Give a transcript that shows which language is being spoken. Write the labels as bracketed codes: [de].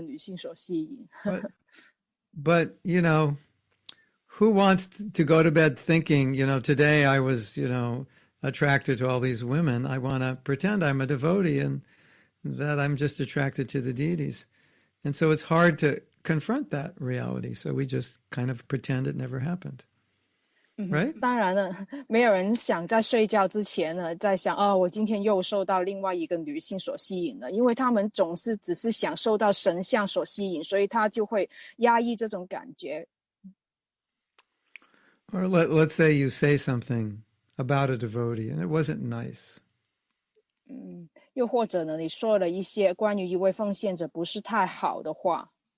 [zh] 所以这个正确的答案是有的，我走在街上时候会受到其他的女性所吸引。 [en] But, you know, who wants to go to bed thinking, you know, today I was, you know, attracted to all these women. I want to pretend I'm a devotee and that I'm just attracted to the deities. And so it's hard to confront that reality. So we just kind of pretend it never happened. Right? [zh] 当然了，没有人想在睡觉之前呢，在想，哦，我今天又受到另外一个女性所吸引了，因为他们总是只是享受到神像所吸引，所以他就会压抑这种感觉。 [en] Or let's say you say something about a devotee and it wasn't nice. [zh] 又或者呢，你说了一些关于一位奉献者不是太好的话。